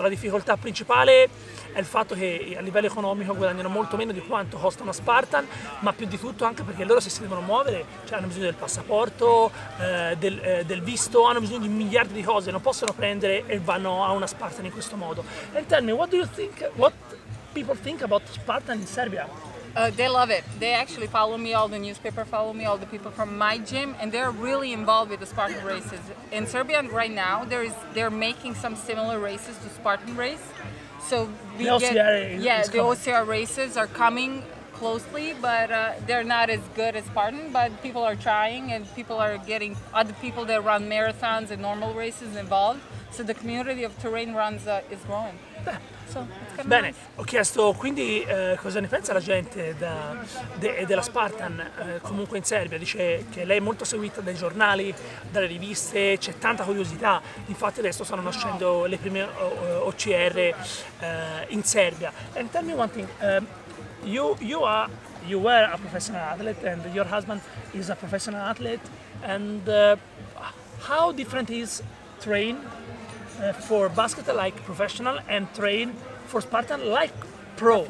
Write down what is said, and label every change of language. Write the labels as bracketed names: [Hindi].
[Italian] La difficoltà principale è il fatto che a livello economico guadagnano molto meno di quanto costa una Spartan, ma più di tutto anche perché loro, se si devono muovere, cioè hanno bisogno del passaporto, del visto, hanno bisogno di miliardi di cose, non possono prendere e vanno a una Spartan in questo modo. [English] And tell me, what do you think, what people think about Spartan in Serbia? They love it. They actually follow me, all the newspaper follow me, all the people from my gym, and they're really involved with the Spartan races. In Serbia right now, they're making some similar races to Spartan race. So we the OCR get, the OCR races are coming closely, but they're not as good as Spartan, but people are trying and people are getting other people that run marathons and normal races involved. So the community of terrain runs is growing. [Italian] Bene, ho chiesto quindi cosa ne pensa la gente della Spartan comunque in Serbia. Dice che lei è molto seguita dai giornali, dalle riviste, c'è tanta curiosità. Infatti adesso stanno nascendo le prime OCR in Serbia. [English] And tell me one thing, you were a professional athlete and your husband is a professional athlete, and how different is train for basket like professional and train for Spartan like pro?